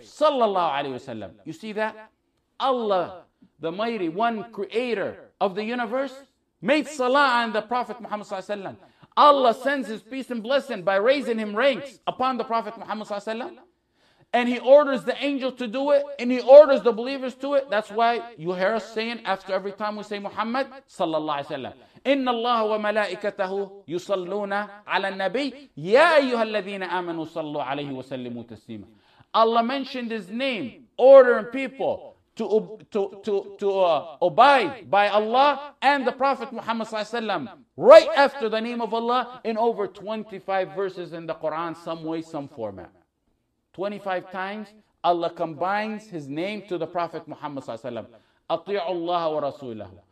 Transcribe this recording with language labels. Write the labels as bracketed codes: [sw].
[en] Sallallahu alayhi wasallam. You see that? Allah, the mighty one, creator of the universe, made salah on the Prophet Muhammad sallallahu alayhi wasallam. Allah sends his peace and blessing by raising him ranks upon the Prophet Muhammad sallallahu alayhi wasallam. And he orders the angel to do it, and he orders the believers to it. That's why you hear us saying after every time we say Muhammad sallallahu alayhi wasallam. [ar] إن الله وملائكته يصلون على النبي يا أيها الذين آمنوا صلوا عليه وسلموا تسليما. [en] Allah mentioned his name, ordering people to abide by Allah and the Prophet Muhammad sallallahu alaihi wasallam right after the name of Allah in over 25 verses in the Quran, some way, some format. 25 times Allah combines his name to the Prophet Muhammad sallallahu alaihi wasallam. [ar] أطيع الله ورسوله.